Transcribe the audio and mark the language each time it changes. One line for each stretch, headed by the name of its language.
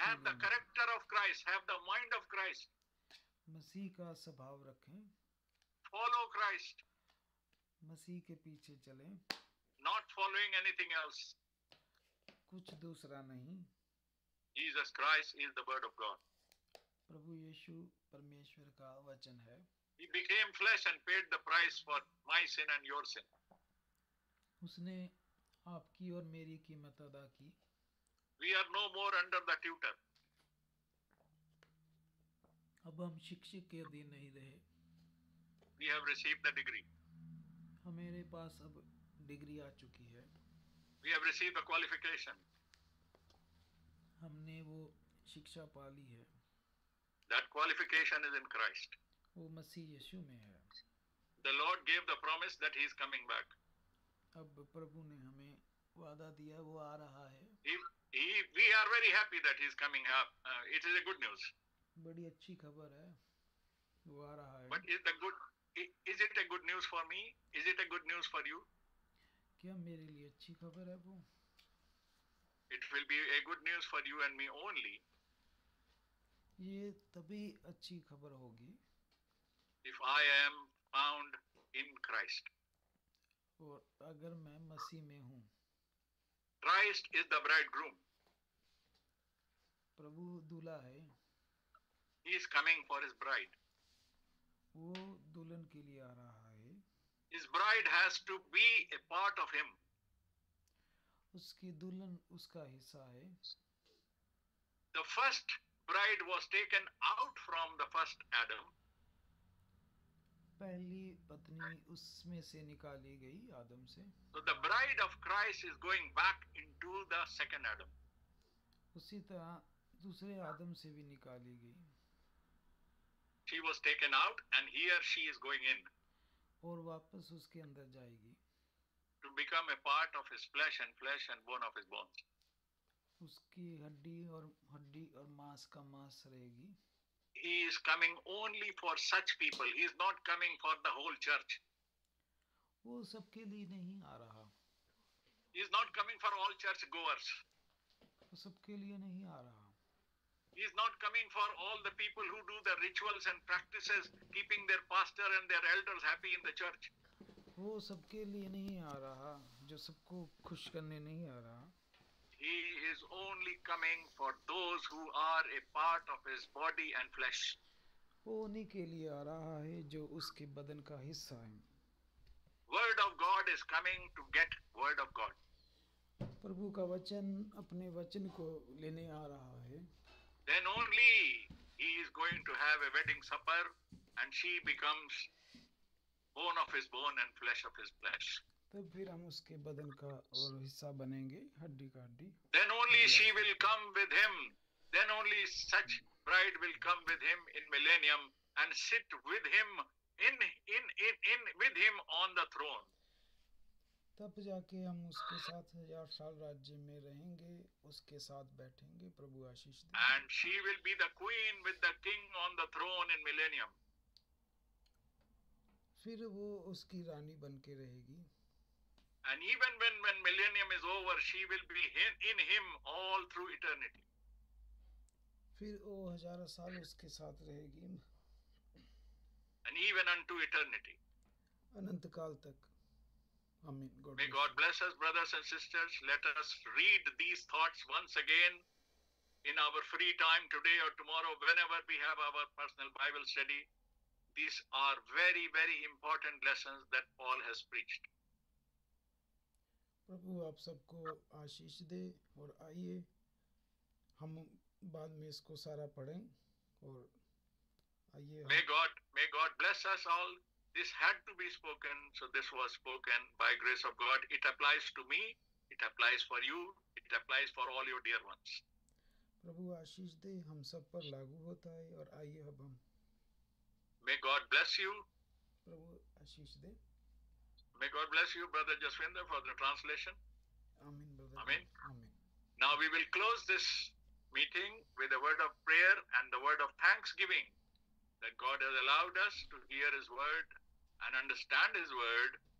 English: Have the character of Christ, have the mind of Christ.
Hindi: मसीह का स्वभाव रखें।
English: Follow Christ.
Hindi: मसीह के पीछे चलें।
English: Not following anything else.
Hindi: कुछ दूसरा नहीं।
English: Jesus Christ is the word of God.
Hindi: प्रभु यीशु परमेश्वर का वचन है।
English: He became flesh and paid the price for my sin and your sin.
Hindi: उसने आपकी और मेरी कीमत अदा की।
English: We are no more under the tutor.
Hindi: अब हम शिक्षक के अधीन नहीं रहे।
English: We have received the degree.
Hindi: हमारे पास अब डिग्री आ चुकी है।
English: We have received a qualification.
Hindi: हमने वो शिक्षा पा ली है।
English: That qualification is in Christ.
Hindi: वो मसीह यीशु में है।
English: The Lord gave the promise that he is coming back.
Hindi: अब प्रभु ने हमें वादा दिया, वो आ रहा है।
English: We are very happy that he is coming up. It is a good news.
Hindi: बड़ी अच्छी खबर है, वो आ रहा है।
English: But is the good Is it a good news for me? Is it a good news for you?
Hindi: क्या मेरे लिए अच्छी खबर है वो?
English: It will be a good news for you and me only.
Hindi: ये तभी अच्छी खबर होगी।
English: if I am found in Christ.
Hindi: और अगर मैं मसीह में हूँ.
English: Christ is the bridegroom.
Hindi: प्रभु दूल्हा है.
English: He is coming for his bride.
Hindi: वो दुल्हन के लिए आ रहा है.
English: His bride has to be a part of him.
Hindi: उसकी दुल्हन उसका हिस्सा है.
English: The first bride was taken out from the first Adam.
Hindi: पहली पत्नी उसमें से निकाली गई आदम से.
English: So the bride of Christ is going back into the second Adam.
Hindi: उसी तरह दूसरे आदम से भी निकाली गई.
English: She was taken out and here she is going in.
Hindi: और वापस उसके अंदर जाएगी.
English: To become a part of his flesh and bone of his bones.
Hindi: उसकी हड्डी और मांस का मांस रहेगी.
English: He is coming only for such people. He is not coming for the whole church.
Hindi: वो सबके लिए नहीं आ रहा.
English: He is not coming for all church goers.
Hindi: वो सबके लिए नहीं आ रहा.
English: He is not coming for all the people who do the rituals and practices, keeping their pastor and their elders happy in the church.
Hindi: वो सबके लिए नहीं आ रहा, जो सबको खुश करने नहीं आ रहा.
English: He is only coming for those who are a part of his body and flesh.
Hindi: वो उन्हीं के लिए आ रहा है जो उसके बदन का हिस्सा है.
English: Word of God is coming to get word of God.
Hindi: प्रभु का वचन अपने वचन को लेने आ रहा है.
English: Then only he is going to have a wedding supper and she becomes bone of his bone and flesh of his flesh.
Hindi: तब फिर हम उसके बदन का और हिस्सा बनेंगे, हड्डी का हड्डी.
English: Then only she will come with him. Then only such bride will come with him in millennium and sit with him in with him on the throne.
Hindi: तब जाके हम उसके साथ 1000 साल राज्य में रहेंगे, उसके साथ बैठेंगे. प्रभु आशीष दे.
English: And she will be the queen with the king on the throne in millennium.
Hindi: फिर वो उसकी रानी बनके रहेगी.
English: And even when millennium is over, she will be in him all through eternity.
Hindi: फिर वो 1000 साल उसके साथ रहेगी.
English: And even unto eternity.
Hindi: अनंत काल तक. Amen.
English: God May God bless us, brothers and sisters. Let us read these thoughts once again in our free time today or tomorrow, whenever we have our personal Bible study. These are very, very important lessons that Paul has preached.
Hindi: प्रभु आप सबको आशीष दे और आइए हम बाद में इसको सारा पढ़ें और आइए.
English: May God bless us all. This had to be spoken, so this was spoken by grace of God. It applies to me, it applies for you, it applies for all your dear ones.
Hindi: प्रभु आशीष दे, हम सब पर लागू होता है और आइए अब हम.
English: May God bless you.
Hindi: Prabhu Ashish दे.
English: May God bless you, Brother Jaswinder, for the translation. Amen, Brother. Amen. Amen. Now we will close this meeting with a word of prayer and the word of thanksgiving that God has allowed us to hear His word and understand His word.